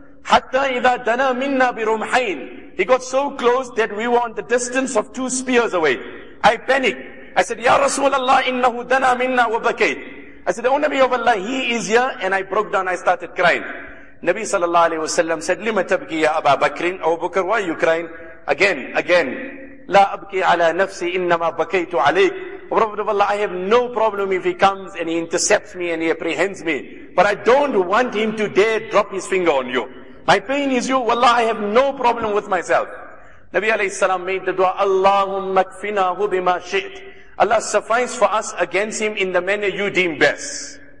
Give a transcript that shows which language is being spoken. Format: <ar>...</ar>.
<ar>Hatta idha dana minna bi rumhain.</ar> <en>He got so close that we were on the distance of two spears away. I panicked. I said,</en> <ar>Ya Rasulallah, innahu dana minna wa bakayt.</ar> <en>I said, O Nabi of Allah, he is here, and I broke down, I started crying. Nabi sallallahu alayhi wa sallam said,</en> <ar>لِمَ تَبْكِي يَا أَبَا بَكْرٍ.</ar> <en>Abu Bakr, why are you crying? Again,</en> <ar>لَا أَبْكِي عَلَى نَفْسِي إِنَّمَا بَكَيْتُ عَلَيْكُ.</ar> <en>Prophet of Allah, I have no problem if he comes and he intercepts me and he apprehends me, but I don't want him to dare drop his finger on you. My pain is you. Wallah, I have no problem with myself. Nabi alayhi sallam made the dua,</en> <ar>اللَّهُمَّ اكْفِنَاهُ بِمَا شِئْتْ.</ar> <en>Allah, suffice for us against him in the manner you deem best.</en>